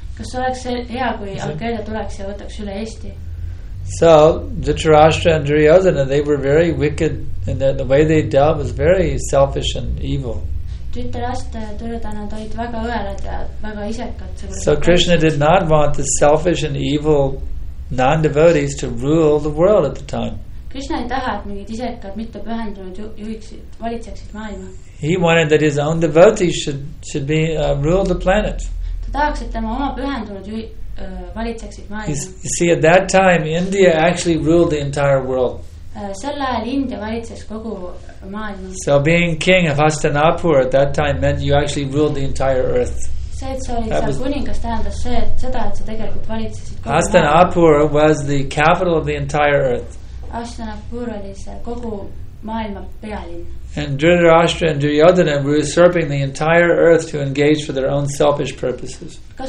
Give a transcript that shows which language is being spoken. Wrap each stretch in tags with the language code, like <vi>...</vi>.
<en>So, Dhritarashtra and Duryodhana, they were very wicked, and the way they dealt was very selfish and evil. So Krishna did not want the selfish and evil non-devotees to rule the world at the time.</en> <et>Krishna ei taha, et mingid isekad mitte pühendunud juhiksid, valitseksid maailma.</et> <en>He wanted that his own devotees should be rule the planet.</en> <et>Ta tahaks, et tema oma pühendunud valitseksid maailma.</et> <en>You see, at that time, India actually ruled the entire world.</en> <et>Selle ajal India valitses kogu maailma.</et> <en>So being king of Hastinapur at that time meant you actually ruled the entire earth. Hastinapur was the capital of the entire earth. And Dhritarashtra and Duryodhana were usurping the entire earth to engage for their own selfish purposes.</en>